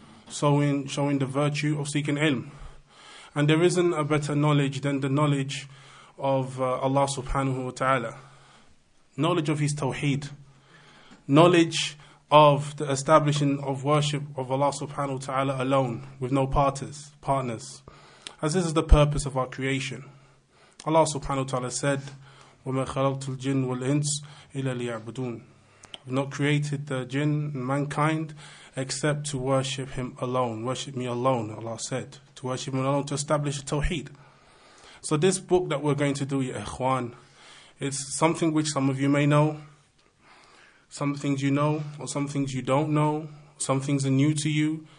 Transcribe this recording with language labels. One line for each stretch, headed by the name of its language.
English: Showing the virtue of seeking ilm. And there isn't a better knowledge than the knowledge of Allah subhanahu wa ta'ala. Knowledge of His tawheed. Knowledge of the establishing of worship of Allah subhanahu wa ta'ala alone, with no partners. As this is the purpose of our creation.
Arabic: Allah subhanahu wa ta'ala
English: said,
Arabic: وَمَا خَلَقْتُ الْجِنْ وَالْإِنْسِ إِلَّا لِيَعْبُدُونَ.
English: I've not created the jinn and mankind except to worship Him alone. Worship me alone, Allah said. To worship Him alone, to establish Tawheed. So this book that we're going to do,
Arabic: Ya Ikhwan,
English: it's something which some of you may know. Some things you know, or some things you don't know. Some things are new to you.